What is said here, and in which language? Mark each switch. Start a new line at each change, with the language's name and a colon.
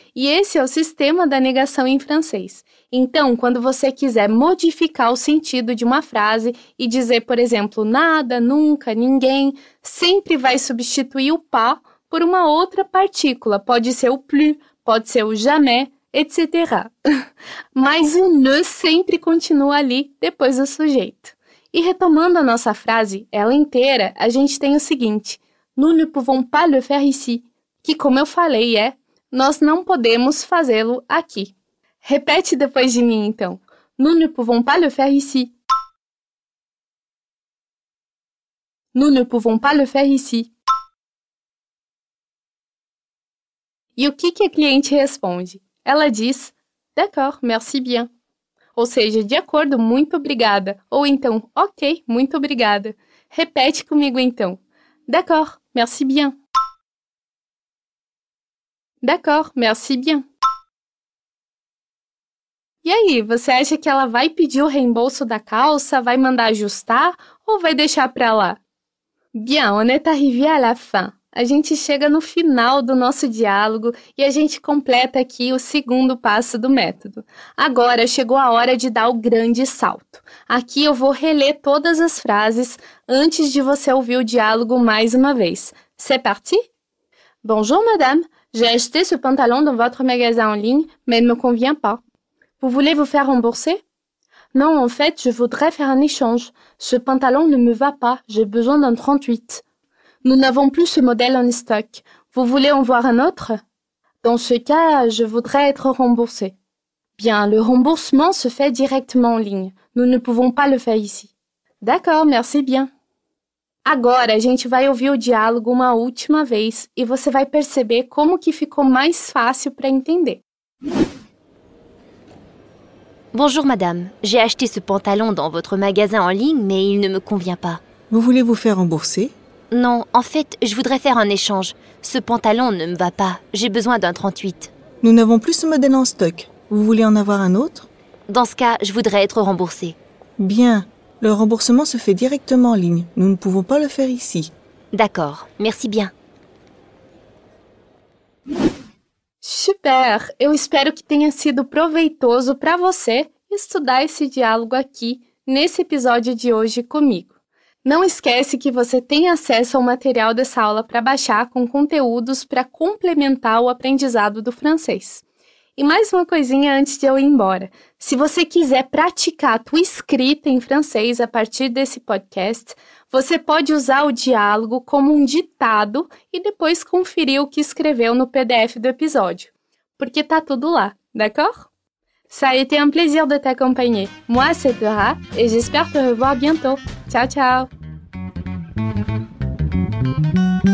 Portuguese: E esse é o sistema da negação em francês. Então, quando você quiser modificar o sentido de uma frase e dizer, por exemplo, nada, nunca, ninguém, sempre vai substituir o pas por uma outra partícula. Pode ser o plus, pode ser o jamais, etc. Mas o ne sempre continua ali depois do sujeito. E retomando a nossa frase, ela inteira, a gente tem o seguinte.
French: Nous ne pouvons pas le faire ici.
Portuguese: Que, como eu falei, é nós não podemos fazê-lo aqui. Repete depois de mim, então.
French: Nous ne pouvons pas le faire ici. Nous ne pouvons pas le faire ici.
Portuguese: E o que a cliente responde? Ela diz,
French: d'accord, merci bien.
Portuguese: Ou seja, de acordo, muito obrigada. Ou então, ok, muito obrigada. Repete comigo, então.
French: D'accord, merci bien. D'accord, merci bien.
Portuguese: E aí, você acha que ela vai pedir o reembolso da calça, vai mandar ajustar ou vai deixar pra lá?
French: Bien, on est arrivé à la fin.
Portuguese: A gente chega no final do nosso diálogo e a gente completa aqui o segundo passo do método. Agora chegou a hora de dar o grande salto. Aqui eu vou reler todas as frases antes de você ouvir o diálogo mais uma vez.
French: C'est parti? Bonjour, madame. J'ai acheté ce pantalon dans votre magasin en ligne, mais il ne me convient pas. Vous voulez vous faire rembourser? Non, en fait, je voudrais faire un échange. Ce pantalon ne me va pas, j'ai besoin d'un 38. Nous n'avons plus ce modèle en stock. Vous voulez en voir un autre? Dans ce cas, je voudrais être remboursée. Bien, le remboursement se fait directement en ligne. Nous ne pouvons pas le faire ici. D'accord, merci bien.
Portuguese: Agora a gente vai ouvir o diálogo uma última vez e você vai perceber como que ficou mais fácil para entender.
French: Bonjour madame, j'ai acheté ce pantalon dans votre magasin en ligne, mais il ne me convient pas. Vous voulez vous faire rembourser? Non, en fait, je voudrais faire un échange. Ce pantalon ne me va pas, j'ai besoin d'un 38. Nous n'avons plus ce modèle en stock. Vous voulez en avoir un autre? Dans ce cas, je voudrais être remboursée. Bien, le remboursement se fait directement en ligne. Nous ne pouvons pas le faire ici. D'accord, merci bien. Super!
Portuguese: Eu espero que tenha sido proveitoso para você estudar esse diálogo aqui, nesse episódio de hoje comigo. Não esquece que você tem acesso ao material dessa aula para baixar com conteúdos para complementar o aprendizado do francês. E mais uma coisinha antes de eu ir embora. Se você quiser praticar a tua escrita em francês a partir desse podcast, você pode usar o diálogo como um ditado e depois conferir o que escreveu no PDF do episódio. Porque tá tudo lá,
French: d'accord? Ça a été un plaisir de t'accompagner. Moi, c'est Dora, et j'espère te revoir bientôt. Tchau, tchau!